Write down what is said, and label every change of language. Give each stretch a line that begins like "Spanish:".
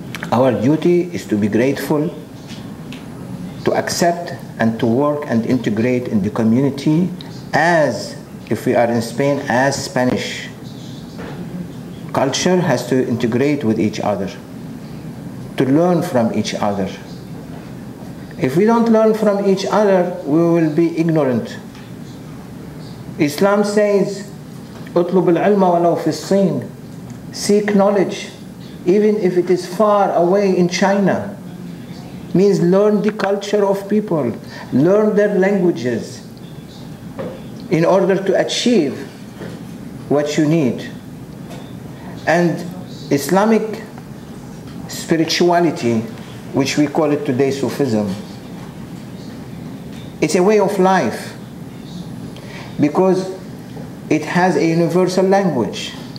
English: Our duty is to be grateful, to accept and to work and integrate in the community as, if we are in Spain, as Spanish. Culture has to integrate with each other, to learn from each other. If we don't learn from each other, we will be ignorant. Islam says,
Arabic: اطلب العلم ولو في الصين.
English: Seek knowledge, even if it is far away in China. Means learn the culture of people, learn their languages, in order to achieve what you need. And Islamic spirituality, which we call it today Sufism, it's a way of life, because it has a universal language.